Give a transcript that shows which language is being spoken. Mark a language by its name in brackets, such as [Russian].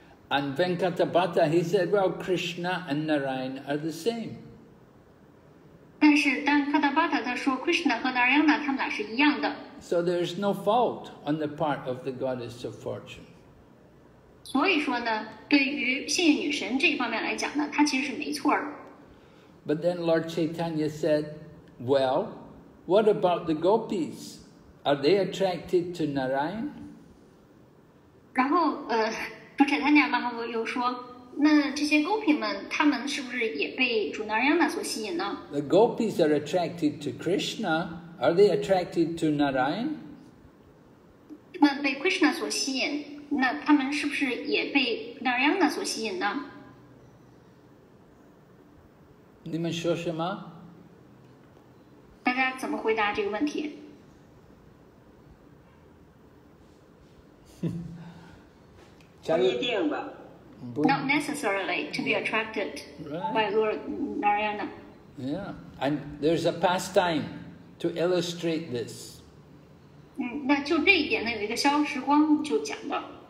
[English] And Venkatabhata, he said, well, Krishna and Narayan are the same. [Chinese] 但是当 Katabhata 他说 Krishna 和 Narayana 他们俩是一样的。 [English] So there is no fault on the part of the goddess of fortune. [Chinese] 所以说呢，对于幸运女神这一方面来讲呢，她其实是没错的。 [English] But then Lord Chaitanya said, well, what about the gopis? Are they attracted to Narayan? [Chinese] 然后主 Chaitanya Mahaprabhu 又说，那这些 Gopi 们，他们是不是也被主 Narayana 所吸引呢？ [English] The Gopis are attracted to Krishna. Are they attracted to Narayan? [Chinese] 他们被 Krishna 所吸引，那他们是不是也被 Narayana 所吸引呢？你们说什么？大家怎么回答这个问题？不一定吧。 [English] Not necessarily to be attracted、 right. by Lord Narayana. Yeah, and there's a pastime to illustrate this. [Chinese] 那就这一点呢，有一个消时光就讲了。